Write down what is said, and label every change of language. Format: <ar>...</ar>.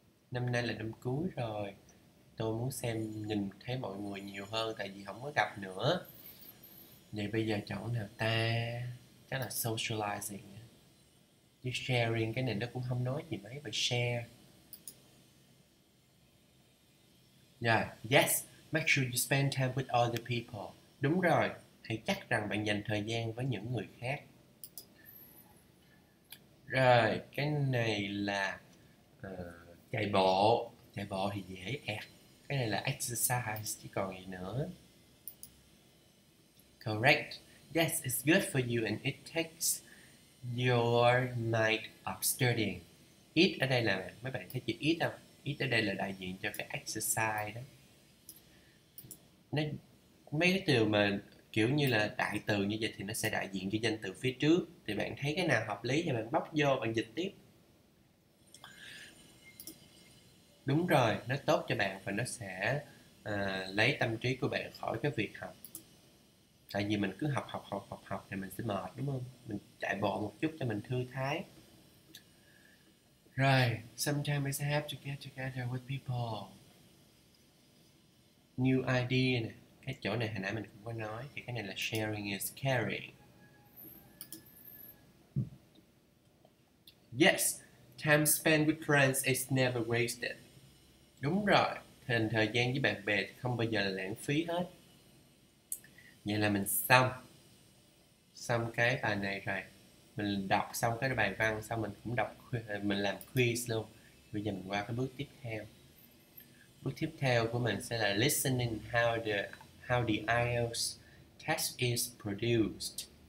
<vi>Năm nay là năm cuối rồi, tôi muốn xem nhìn thấy mọi người nhiều hơn tại vì không có gặp nữa. Vậy bây giờ chọn nào ta? Chắc là socializing. Chứ sharing cái này nó cũng không nói gì mấy về share.</vi> <en>Yeah, yes, make sure you spend time with other people.</en> <vi>Đúng rồi, hãy chắc rằng bạn dành thời gian với những người khác. Rồi, cái này là chạy bộ. Chạy bộ thì dễ ẹt. Cái này là exercise, chứ còn gì nữa.</vi> <en>Correct. Yes, it's good for you and it takes your mind off studying.</en> <vi>It ở đây là, mấy bạn thấy chữ it không? It ở đây là đại diện cho cái exercise đó. Nên mấy cái từ mà kiểu như là đại từ như vậy thì nó sẽ đại diện cho danh từ phía trước. Thì bạn thấy cái nào hợp lý thì bạn bóc vô, bạn dịch tiếp. Đúng rồi, nó tốt cho bạn và nó sẽ lấy tâm trí của bạn khỏi cái việc học. Tại vì mình cứ học học học học học thì mình sẽ mệt, đúng không? Mình chạy bộ một chút cho mình thư thái. Rồi,</vi> <en>sometimes I have to get together with people. New idea</en> <vi>nè. Cái chỗ này hồi nãy mình cũng có nói, thì cái này là</vi> <en>sharing is caring. Yes, time spent with friends is never wasted.</en> <vi>Đúng rồi, thời gian với bạn bè không bao giờ là lãng phí hết. Vậy là mình xong xong cái bài này rồi. Mình đọc xong cái bài văn xong, mình cũng đọc, mình làm quiz luôn. Bây giờ mình qua cái bước tiếp theo. Bước tiếp theo của mình sẽ là</vi> <en>listening how the IELTS test is produced.</en>